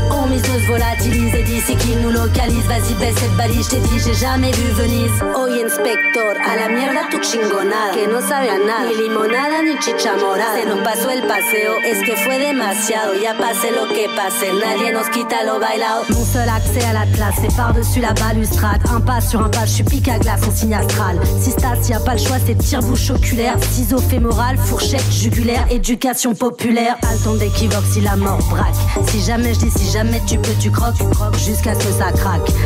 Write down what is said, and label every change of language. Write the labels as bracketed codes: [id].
[fr] On mise de se volatiliser d'ici qu'ils nous localisent. Vas-y, baisse cette balise, j't'ai dit, j'ai jamais vu Venise. [es] Oye, inspector, a la mierda tu chingonada. Que no sabe a nada. Ni limonada ni chicha morada. Se nos pasó el paseo, es que fue demasiado. Ya pase lo que pase, nadie nos quita lo bailado. [fr] Mon seul accès à la classe, c'est par-dessus la balustrade. Un pas sur un pas, j'suis pique à glace, on signe astral. Si stas, y'a pas le choix, c'est tire-bouche oculaire. Ciseaux fémoral, fourchette jugulaire, éducation populaire. Pas le temps d'équivoque si la mort braque. Si jamais je dis, si jamais tu peux, tu croques jusqu'à ce que ça craque.